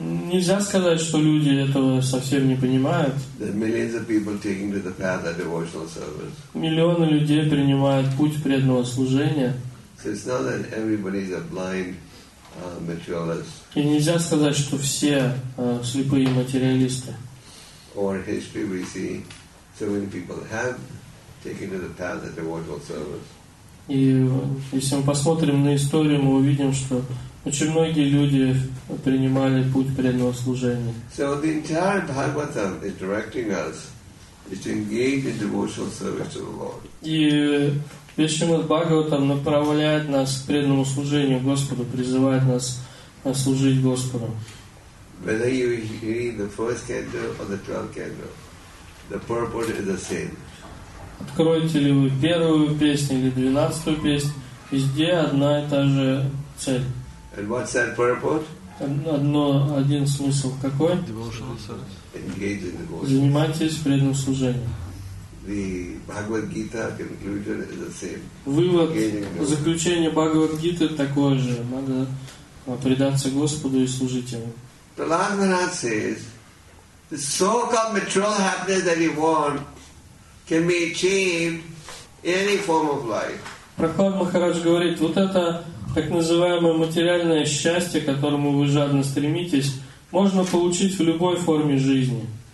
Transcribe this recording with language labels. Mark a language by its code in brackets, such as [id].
[ru] Нельзя сказать, что люди этого совсем не понимают. Миллионы людей принимают путь преданного служения. [en] So it's not that everybody's a blind materialist. [ru] И нельзя сказать, что все слепые материалисты. [en] Or in history we see so many people have taken to the path of devotional service. [ru] И если мы посмотрим на историю, мы увидим, что очень многие люди принимали путь преданного служения. [en] So the entire Bhagavatam is directing us to engage in devotional service to the Lord. [ru] И весь Шримад Бхагаватам направляет нас к преданному служению Господу, призывает нас служить Господу. [en] Whether you read the first canto or the 12th canto, the purport is the same. [ru] Откроете ли вы первую песню или двенадцатую песню, везде одна и та же цель. [en] And what's that purport? [ru] Один смысл какой? [en] Devotional service. [ru] Занимайтесь преданным служением. [en] The Bhagavad Gita conclusion is the same. [ru] Вывод, заключение Бхагавад Гиты такое же. Надо предаться Господу и служить Ему. [en] Prahlad Maharaj says, the so-called material happiness that you want can be achieved in any form of life. [ru] Прохлад Махарадж говорит, вот это так называемое материальное счастье, к которому вы жадно стремитесь, можно получить в любой форме жизни.